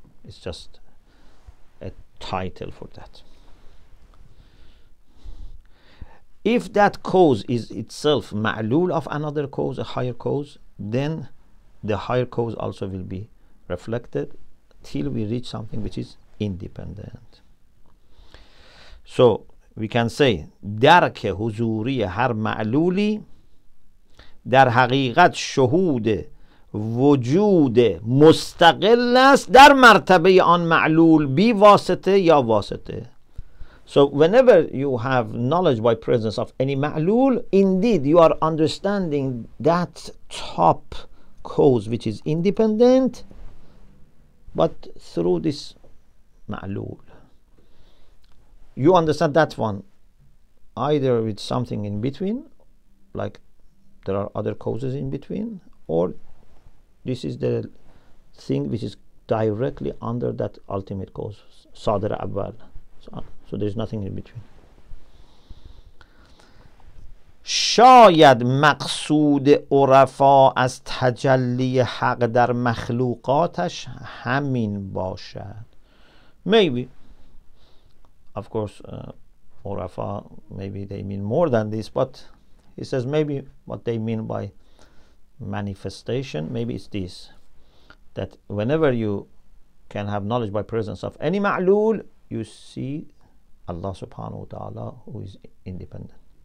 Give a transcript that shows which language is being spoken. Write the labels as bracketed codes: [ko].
[en] It's just a title for that. If that cause is itself ma'lul of another cause, a higher cause, then the higher cause also will be reflected till we reach something which is independent. So we can say [fa] درک حضوری هر معلولی در حقیقت شهود وجود مستقل است در مرتبه آن معلول بی واسطه یا واسطه. [en] So whenever you have knowledge by presence of any ma'lul, indeed you are understanding that top cause which is independent, but through this ma'lul. You understand that one either with something in between, like there are other causes in between, or this is the thing which is directly under that ultimate cause, sadra abwal. So there's nothing in between. [fa] شاید مقصود عرفا از تجلی حق در مخلوقاتش همین باشد. [en] Maybe. Of course, عرفا, maybe they mean more than this, but he says maybe what they mean by manifestation, maybe it's this, that whenever you can have knowledge by presence of any ma'lul, you see Allah subhanahu wa ta'ala who is independent.